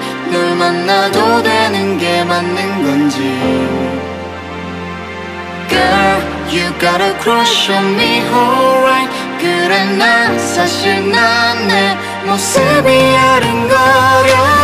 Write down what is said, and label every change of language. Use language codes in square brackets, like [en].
[ko] 널 만나도 되는 게 맞는 건지. [en] Girl, you got a crush on me, alright. [ko] 그래 난 사실 난 내 모습이 아른거려.